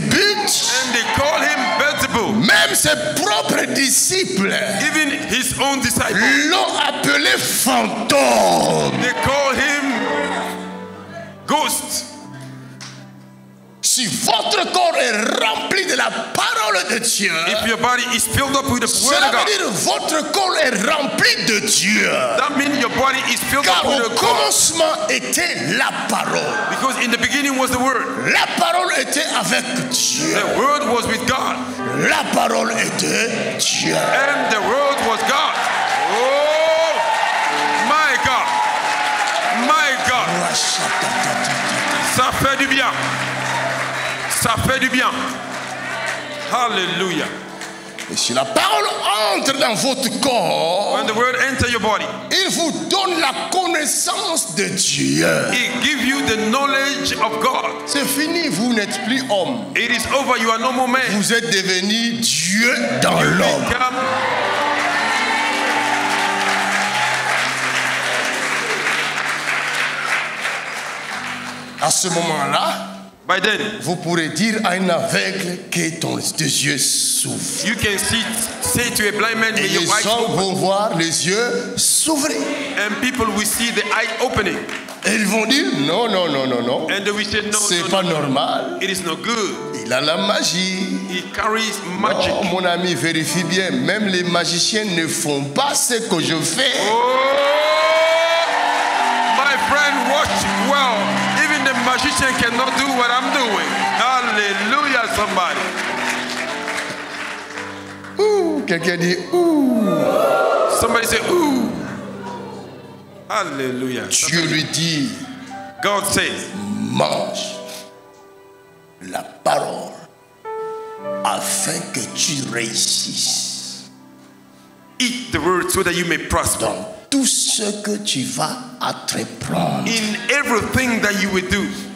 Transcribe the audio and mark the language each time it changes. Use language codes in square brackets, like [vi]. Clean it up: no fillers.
[en] And they call him Beelzebub. [fr] Même ses propres disciples. [en] Even his own disciples. [fr] L'ont appelé fantôme. [en] They call him ghost. [fr] Si votre corps est rempli de la parole de Dieu, [en] if your body is filled up with the word of God, [fr] cela veut dire votre corps est rempli de Dieu. [en] That means your body is filled [fr] car [en] up with the God. [fr] Car au commencement était la parole. [en] Because in the beginning was the word. [fr] La parole était avec Dieu. [en] The word was with God. [fr] La parole était Dieu. [en] And the word was God. Oh, my God, my God. [fr] Ça fait du bien. [en] Ça fait du bien. Alléluia. [fr] Et si la parole entre dans votre corps, [en] when the word enter your body, [fr] il vous donne la connaissance de Dieu. [en] It give you the knowledge of God. [fr] C'est fini, vous n'êtes plus homme. [en] It is over, you are no more man. [fr] Vous êtes devenu Dieu dans [en] you [fr] l'homme. [en] Become... [fr] À ce moment-là, [en] by then, [fr] vous pourrez dire à un aveugle que ton tes yeux s'ouvrent. [en] You can see, say to a blind man that your eyes open. [fr] Et les gens vont voir les yeux s'ouvrir. [en] And people will see the eye opening. [fr] Et ils vont dire non non non non non. [en] And they will say no. [fr] C'est [en] no, [fr] pas [en] no, [fr] normal. [en] It is not good. [fr] Il a la magie. [en] He carries magic. [fr] Non, mon ami, vérifie bien. Même les magiciens ne font pas ce que je fais. [en] Oh, my friend, watch well. Magician cannot do what I'm doing. Hallelujah, somebody. [fr] Ooh, quelqu'un dit ooh. [en] Somebody say ooh. Hallelujah. [fr] Dieu lui dit. [en] God says. [fr] Mange la parole afin que tu réussisses. [en] Eat the word so that you may prosper. [fr] Donc, tout ce que tu vas entreprendre. [en] In everything that you will do.